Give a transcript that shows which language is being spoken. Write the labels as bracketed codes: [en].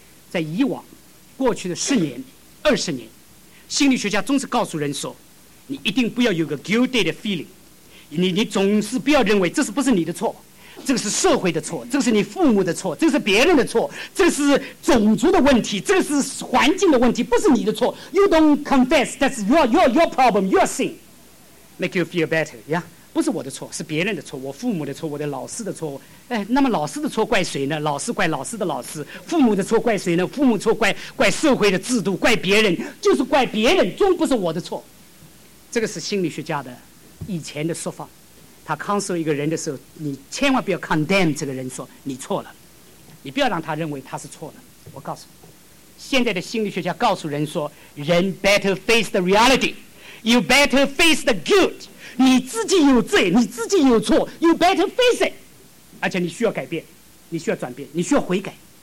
[zh] 在以往过去的十年二十年，心理学家总是告诉人说，你一定不要有个 guilty 的 feeling， 你总是不要认为这是不是你的错，这个是社会的错，这个是你父母的错，这个是别人的错，这个是种族的问题，这个是环境的问题，不是你的错。 [en] You don't confess that's your problem, your sin make you feel better、yeah? [zh] 不是我的错，是别人的错，我父母的错，我的老师的错。哎，那么老师的错怪谁呢？老师怪老师的老师。父母的错怪谁呢？父母错怪社会的制度，怪别人，就是怪别人，终不是我的错。这个是心理学家的以前的说法。他 counsel 一个人的时候，你千万不要 condemn 这个人，说你错了，你不要让他认为他是错了。我告诉你，现在的心理学家告诉人说，人 [en] better face the reality， you better face the guilt， [zh] 你自己有罪，你自己有错， [en] you better face it， [zh] 而且你需要改变，你需要转变，你需要悔改。